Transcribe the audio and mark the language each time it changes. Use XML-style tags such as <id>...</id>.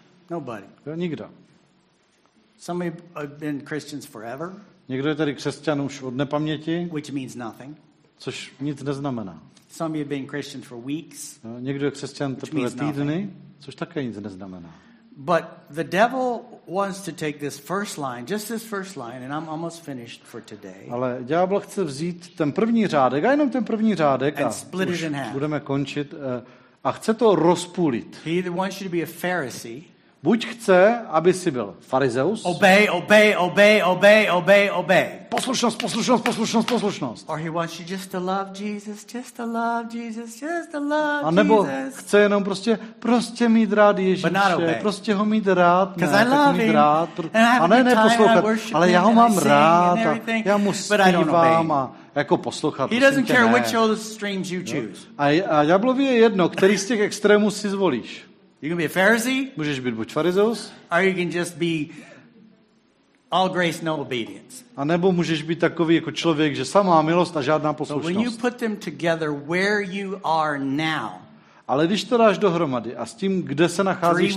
<en>Nobody.</en> <cs>Jo, nikdo.</cs> <en>Some have been Christians forever.</en> <cs>Někdo je tady křesťan už od nepaměti.</cs> <en>Which means nothing.</en> <cs>Což nic neznamená.</cs> <en>Some have been Christians for weeks.</en> <cs>Jo, někdo je křesťan teprve týdny, což také nic neznamená.</cs> <en>But the devil wants to take this first line, just this first line, and I'm almost finished for today.</en> <cs>Ale ďábel chce vzít ten první řádek, a jenom ten první řádek a už budeme končit a chce to rozpůlit.</cs> <en>He either wants you to be a Pharisee.</en> <cs>Buď chce, aby si byl farizeus.</cs> <en>Obey, obey, obey, obey, obey, obey.</en> <cs>Poslušnost, poslušnost, poslušnost, poslušnost.</cs> <en>Or he wants you just to love Jesus, just to love Jesus, just to love Jesus.</en> <cs>A nebo chce jenom prostě mít rád Ježíše, prostě ho mít rád, ne,</cs> <en>I love</en> <cs>mít rád.</cs> <en>Him,</en> <cs>a ne poslouchat, ale já ho mám rád a já mu zpívám a jako poslouchat.</cs> <en>He doesn't care which of the streams you choose.</en> <cs>A ďáblovi je jedno, který z těch extrémů si zvolíš.</cs> <en>You can be a Pharisee.</en> <cs>Můžeš být buď farizeus.</cs> <en>Or you can just be all grace, no obedience.</en> <cs>A nebo můžeš být takový jako člověk, že samá milost a žádná poslušnost.</cs> <en>But when you put them together where you are now.</en> <cs>Ale když to dáš dohromady a s tím, kde se nacházíš teď.</cs>